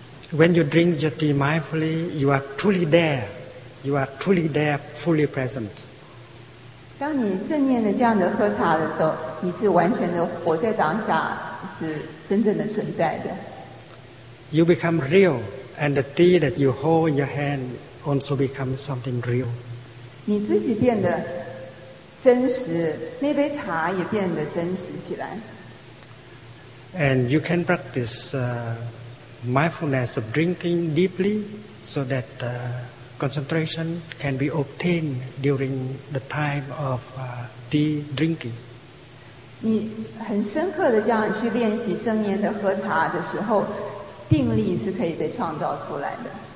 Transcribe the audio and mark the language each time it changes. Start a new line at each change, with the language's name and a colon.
English: When you drink your tea mindfully, you are truly there. You are truly there, fully present.
Chinese: 当你正念的这样的喝茶的时候，你是完全的活在当下，是真正的存在的。
English: You become real, and the tea that you hold in your hand also becomes something real.
Chinese: 你自己变得真实，那杯茶也变得真实起来。
English: And you can practice mindfulness of drinking deeply so that concentration can be obtained during the time of tea drinking.
Chinese: 你很深刻的这样去练习正念的喝茶的时候，定力是可以被创造出来的。